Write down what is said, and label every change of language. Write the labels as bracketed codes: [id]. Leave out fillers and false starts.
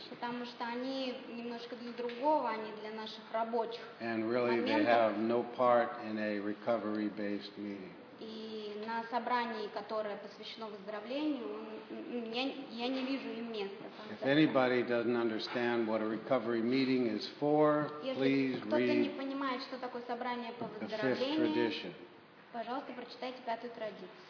[ru] Потому что они немножко для другого, они для наших рабочих. [en] And really, they have no part in a recovery-based meeting. [ru] И на собрании, которое посвящено выздоровлению, я не вижу им места. [en] If anybody doesn't understand what a recovery meeting is for, please read. [ru] Если кто-то не понимает, что такое собрание по выздоровлению, пожалуйста, прочитайте пятую традицию.